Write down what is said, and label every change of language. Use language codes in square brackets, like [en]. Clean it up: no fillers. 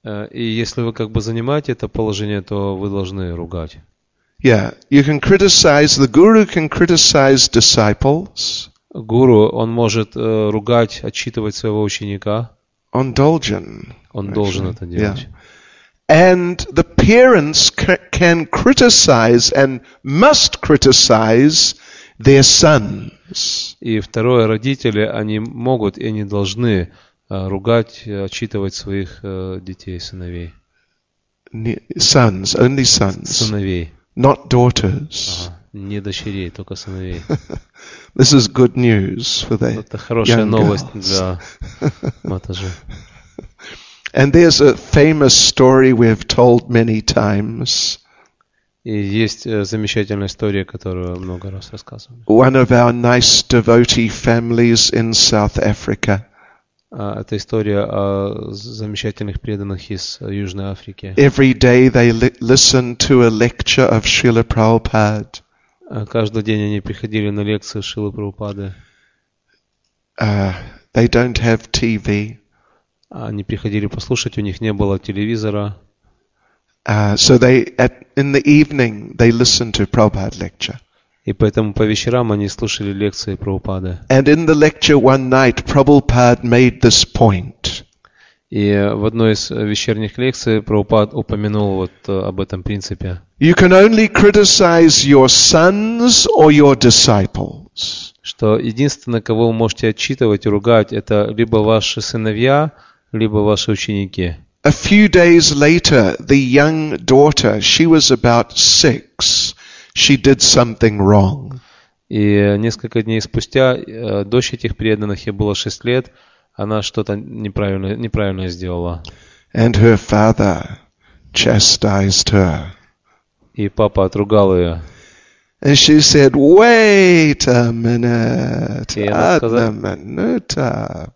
[ru] И если вы как бы занимаете это положение, то вы должны ругать. [en] Yeah, you can criticize, the guru can criticize disciples. [ru] Гуру, он может ругать, отчитывать своего ученика. Он должен. Он должен это делать. Yeah. [en] And the parents can criticize and must criticize their sons. [ru] И второе, родители, они могут и они должны ругать, отчитывать своих детей, сыновей. [en] Sons, only sons. [ru] Сыновей. [en] Not daughters. [ru] Не дочерей, только сыновей. [en] This is good news for the young girls. [ru] Это хорошая новость для матажи. [en] And there's a famous story we have told many times. [ru] И есть замечательная история, которую много раз рассказывали. [en] One of our nice devotee families in South Africa. [ru] Это история о замечательных преданных из Южной Африки. [en] Every day they listen to a lecture of Srila Prabhupada. [ru] Каждый день они приходили на лекции Шрилы Прабхупады. [en] They don't have TV. [ru] Они приходили послушать, у них не было телевизора. [en] So they in the evening they listen to Prabhupada lecture. [ru] И поэтому по вечерам они слушали лекции Прабхупады. [en] And in the lecture one night, Prabhupada made this point. [ru] И в одной из вечерних лекций Прабхупад упомянул вот об этом принципе. [en] You can only criticize your sons or your disciples. [ru] Что единственное, кого вы можете отчитывать и ругать, это либо ваши сыновья, либо ваши ученики. [en] A few days later, the young daughter, she was about six. She did something wrong. [ru] И несколько дней спустя дочь этих преданных, ей было 6 лет, она что-то неправильно сделала. [en] And her father chastised her. [ru] И папа отругал ее. [en] And she said, "Wait a minute, [ru] одна минута."